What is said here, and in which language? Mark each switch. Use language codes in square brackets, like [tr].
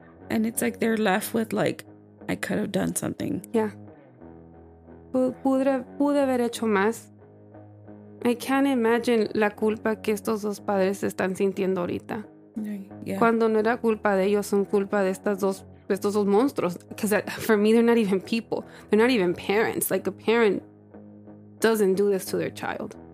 [en] And it's like they're left with, like, I could have done something. [es] Yeah. Pude haber hecho más. [en] I can't imagine [es] la culpa que estos dos padres están sintiendo ahorita. [en] Yeah. [es] Cuando no era culpa de ellos, son culpa de estas dos. Estos dos monstruos, [en] because for me they're not even people, they're not even parents. Like, a parent doesn't do this to their child.